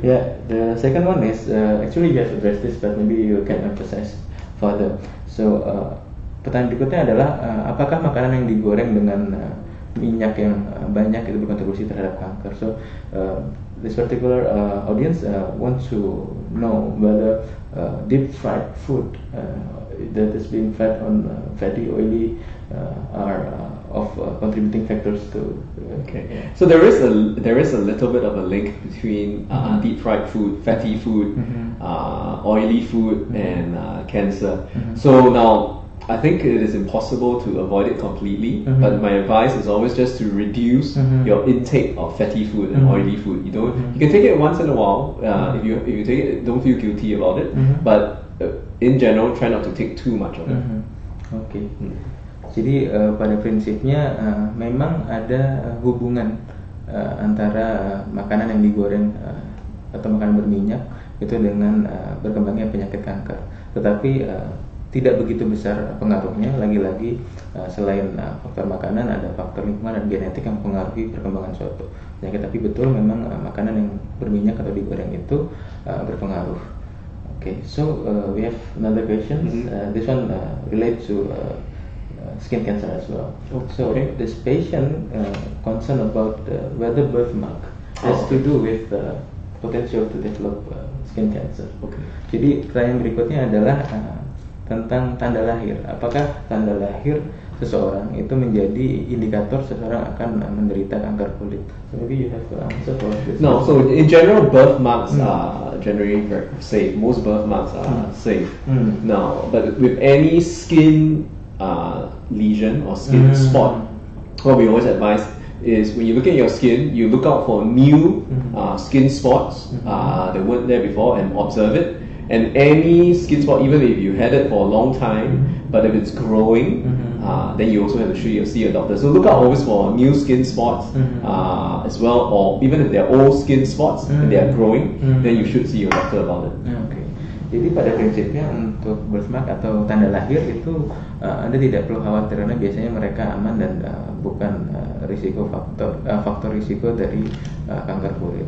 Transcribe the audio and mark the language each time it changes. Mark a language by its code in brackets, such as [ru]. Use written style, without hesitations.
[en] Yeah, the second one is actually you have addressed this, but maybe you can emphasize further. [id] So pertanyaan berikutnya adalah apakah makanan yang digoreng dengan minyak yang banyak itu berkontribusi terhadap kanker? [en] So this particular audience wants to know whether deep fried food that is being fed on fatty, oily are of contributing factors to. Okay, so there is a little bit of a link between deep fried food, fatty food, oily food, and cancer. So now I think it is impossible to avoid it completely, but my advice is always just to reduce your intake of fatty food and oily food. You don't, you can take it once in a while. If you take it, don't feel guilty about it. But in general, try not to take too much of it. Okay. [id] Jadi pada prinsipnya memang ada hubungan antara makanan yang digoreng atau makanan berminyak itu dengan berkembangnya penyakit kanker. Tetapi tidak begitu besar pengaruhnya, lagi-lagi selain faktor makanan ada faktor lingkungan dan genetik yang mempengaruhi perkembangan suatu Ya, tapi betul memang makanan yang berminyak atau digoreng itu berpengaruh. [en] Okay, so we have another question. This one relates to skin cancer as well. Okay. So this patient concerned about whether birthmark has to do with the potential to develop skin cancer. Okay. [id] Jadi pertanyaan berikutnya adalah tentang tanda lahir. Apakah tanda lahir seseorang itu menjadi indikator seseorang akan menderita kanker kulit? [en] So maybe you have to answer for this. No, so in general, birthmarks are generally safe. Most birthmarks are safe. Now, but with any skin lesion or skin spot, what we always advise is when you look at your skin, you look out for new skin spots that weren't there before and observe it. And any skin spot, even if you had it for a long time, but if it's growing, then you also have to see a doctor. So look out always for new skin spots as well, or even if they're old skin spots and they are growing, then you should see your doctor about it. Okay. [id] Jadi pada prinsipnya untuk birthmark atau tanda lahir itu Anda tidak perlu khawatir karena biasanya mereka aman dan bukan risiko faktor faktor risiko dari kanker kulit.